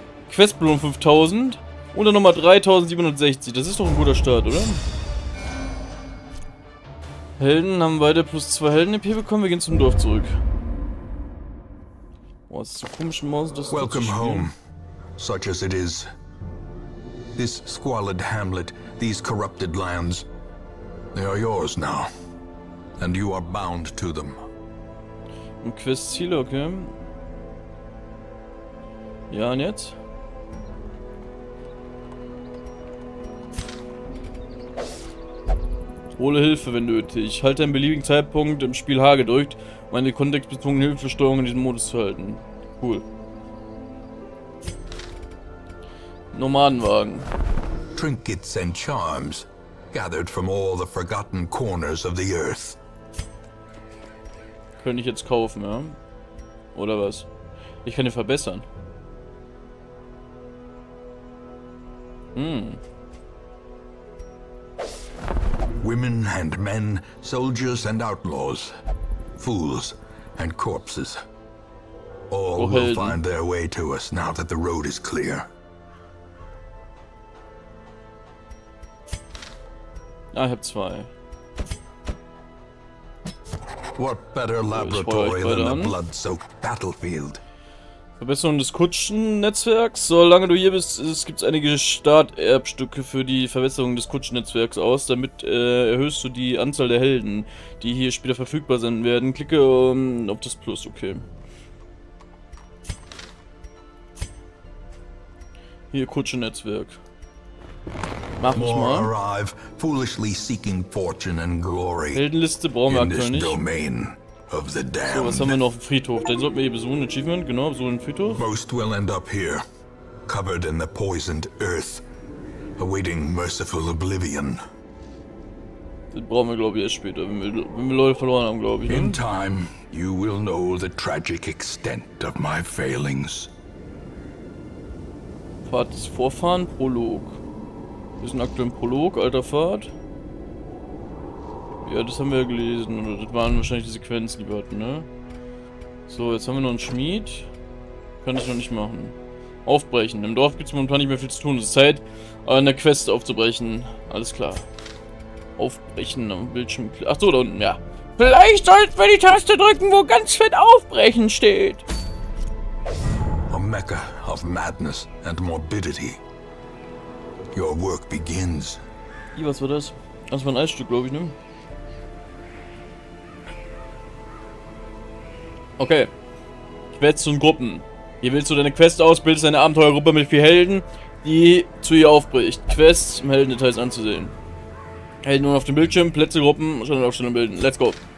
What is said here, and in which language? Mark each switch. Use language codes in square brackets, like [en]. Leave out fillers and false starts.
[de] Questbelohnung 5000 und dann nochmal 3760, das ist doch ein guter Start, oder? Helden haben weiter plus 2 Helden-EP bekommen, wir gehen zum Dorf zurück. Was ist so komisch, Maus, das [en] Welcome home, such as it is. This squalid hamlet, these corrupted lands, they are yours now, and you are bound to them. [de] Ein Questziel, okay. Ja, und jetzt? Hole Hilfe, wenn nötig. Halte einen beliebigen Zeitpunkt im Spiel H gedrückt, um eine kontextbezogene Hilfesteuerung in diesem Modus zu halten. Cool. Nomadenwagen. [en] Trinkets and charms gathered from all the forgotten corners of the earth. [de] Könnte ich jetzt kaufen, ja? Oder was? Ich kann ihn verbessern. [en] Women and men, soldiers and outlaws, fools and corpses. All will find their way to us now that the road is clear. I have 2. What better laboratory than the blood-soaked battlefield? [de] Verbesserung des Kutschennetzwerks. Solange du hier bist, gibt es einige Starterbstücke für die Verbesserung des Kutschennetzwerks aus. Damit erhöhst du die Anzahl der Helden, die hier später verfügbar sein werden. Klicke auf das Plus, okay. Hier, Kutschennetzwerk. Mach ich mal. [en] Arrive, foolishly seeking fortune and glory. [de] Heldenliste brauchen wir aktuell nicht. [en] Of the damned. [de] So, was haben wir noch? Friedhof. Den sollten wir hier besuchen. Achievement, genau, besuchen den Friedhof. [en] Most will end up here, covered in the poisoned earth, awaiting merciful oblivion. [de] Das brauchen wir, glaube ich, erst später, wenn wir Leute verloren haben, glaube ich. [en] In time, you will know the tragic extent of my failings. [de] Pfad des Vorfahren, Prolog. Wir sind aktuell im Prolog, alter Pfad. Ja, das haben wir ja gelesen. Das waren wahrscheinlich die Sequenzen, die wir hatten, ne? So, jetzt haben wir noch einen Schmied. Kann ich noch nicht machen. Aufbrechen. Im Dorf gibt es momentan nicht mehr viel zu tun. Es ist Zeit, eine Quest aufzubrechen. Alles klar. Aufbrechen am Bildschirm. Ach so, da unten, ja. Vielleicht sollten wir die Taste drücken, wo ganz fett aufbrechen steht. [en] A Mecca of Madness and Morbidity. Your work begins. [de] Ih, was war das? Das war ein Eisstück, glaube ich, ne? Okay. Ich werde zu den Gruppen. Hier willst du deine Quest aus, bildest eine Abenteuergruppe mit 4 Helden, die zu ihr aufbricht. Quests im Heldendetails anzusehen. Helden nun auf dem Bildschirm, Plätze, Gruppen, schon in Aufstellung bilden. [en] Let's go.